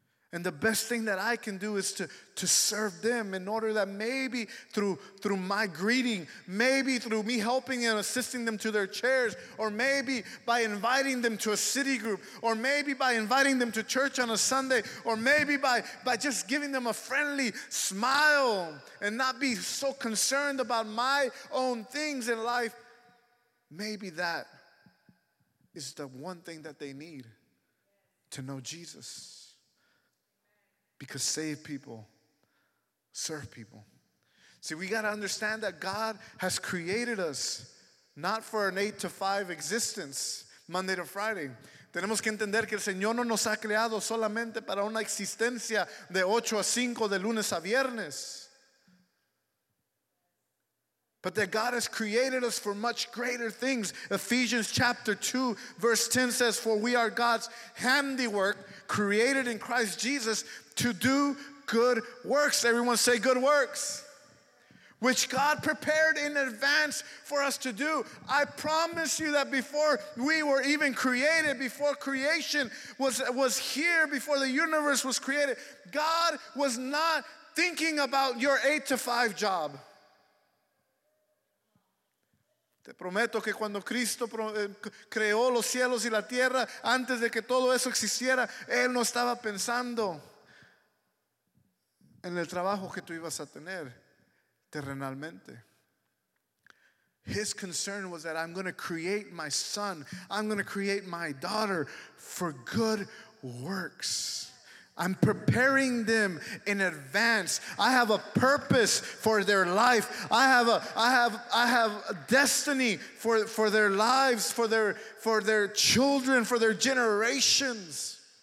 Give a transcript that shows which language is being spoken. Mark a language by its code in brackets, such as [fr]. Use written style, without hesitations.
[en] And the best thing that I can do is to serve them in order that maybe through my greeting, maybe through me helping and assisting them to their chairs, or maybe by inviting them to a city group, or maybe by inviting them to church on a Sunday, or maybe by just giving them a friendly smile and not be so concerned about my own things in life, maybe that is the one thing that they need to know Jesus. Because save people, serve people. See, we got to understand that God has created us not for an 8-to-5 existence, Monday to Friday. [es] Tenemos que entender que el Señor no nos ha creado solamente para una existencia de 8-to-5, de lunes a viernes. [en] But that God has created us for much greater things. Ephesians chapter 2 verse 10 says, "For we are God's handiwork, created in Christ Jesus to do good works." Everyone say good works. "Which God prepared in advance for us to do." I promise you that before we were even created, before creation was here, before the universe was created, God was not thinking about your 8-to-5 job. [es] Te prometo que cuando Cristo creó los cielos y la tierra, antes de que todo eso existiera, Él no estaba pensando en el trabajo que tú ibas a tener terrenalmente. [en] His concern was that I'm going to create my son, I'm going to create my daughter for good works. I'm preparing them in advance. I have a purpose for their life. I have a destiny for their lives, for their children, for their generations.